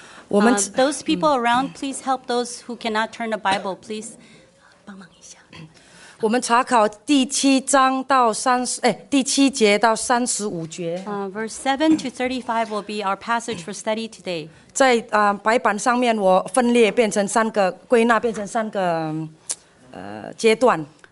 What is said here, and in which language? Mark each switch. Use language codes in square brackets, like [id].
[en] Those people around, please help those who cannot turn the Bible. Please [zh] 我们查考第七节到三十五节 [en] Verse 7 to 35 will be our passage for study today. [zh] 在 白板上面我分列变成三个归纳变成三个阶段